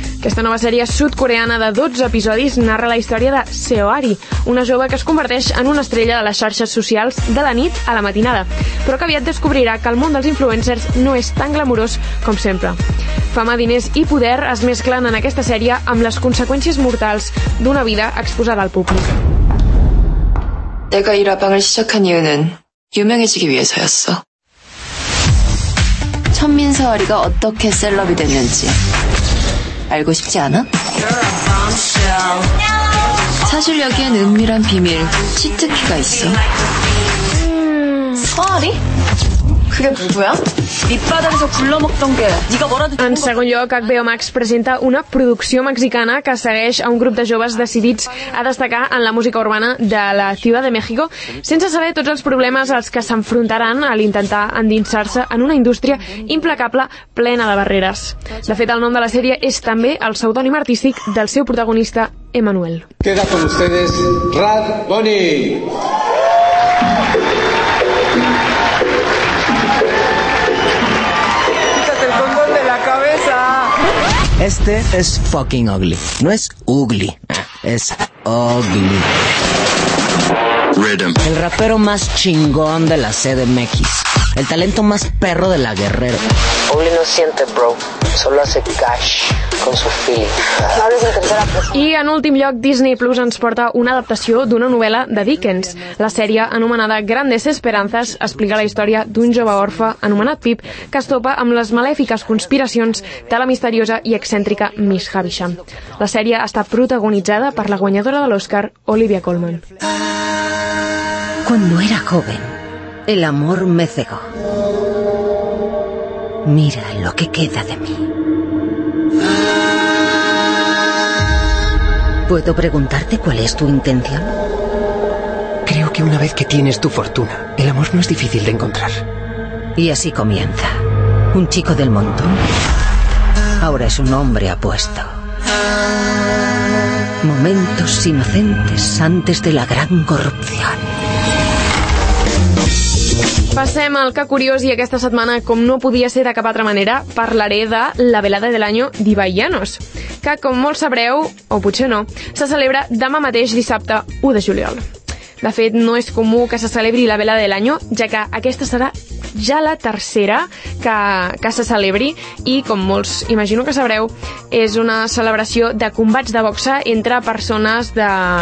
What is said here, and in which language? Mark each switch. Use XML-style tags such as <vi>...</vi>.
<ca>Aquesta nova sèrie sud-coreana de 12 episodis narra la història de Seohari, una jove que es converteix en una estrella de les xarxes socials de la nit a la matinada, però que aviat descobrirà que el món dels influencers no és tan glamurós com sempre. Fama, diners i poder es mesclen en aquesta sèrie amb les conseqüències mortals d'una vida exposada al públic.</ca> <ko>내가 이 라방을 시작한 이유는 유명해지기 위해서였어. 천민서아리가 어떻게 셀럽이 됐는지 알고 싶지 않아? 사실 여기엔 은밀한 비밀, 치트키가 있어. 서아리? 그게 누구야? 밑바닥에서 굴러먹던 게 네가 뭐라도...</ko> <ca>En segon lloc, HBO Max presenta una producció mexicana que segueix a un grup de joves decidits a destacar en la música urbana de la Ciudad de México sense saber tots els problemes als que s'enfrontaran a l'intentar endinsar-se en una indústria implacable plena de barreres. De fet, el nom de la sèrie és també el pseudònim artístic del seu protagonista, Emmanuel.</ca> <es>Queda con ustedes Rad Boni. Este es</es> <en>fucking ugly.</en> <es>No es ugly. Es ugly.</es> <en>Rhythm.</en> <es>El rapero más chingón de la CDMX. El talento más perro de la Guerrero. Ugly no siente, bro. Solo hace cash con su feeling.</es> <ca>I en últim lloc, Disney Plus ens porta una adaptació d'una novel·la de Dickens. La sèrie, anomenada Grandes Esperanzas, explica la història d'un jove orfe anomenat Pip que es topa amb les malèfiques conspiracions de la misteriosa i excèntrica Miss Havisham. La sèrie està protagonitzada per la guanyadora de l'Oscar, Olivia Colman.</ca> <es>Cuando era joven, el amor me cegó. Mira lo que queda de mí. ¿Puedo preguntarte cuál es tu intención? Creo que una vez que tienes tu fortuna, el amor no es difícil de encontrar. Y así comienza. Un chico del montón. Ahora es un hombre apuesto. Momentos inocentes antes de la gran corrupción.</es> <ca>Passem al que curiós, i aquesta setmana, com no podia ser de cap altra manera, parlaré de la velada de l'any d'Ibai Llanos, que, com molt sabreu, o potser no, se celebra demà mateix, dissabte 1 de juliol. De fet, no és comú que se celebri la velada de l'any, ja que aquesta serà ja la tercera que se celebri, i, com molts imagino que sabreu, és una celebració de combats de boxa entre persones de...</ca>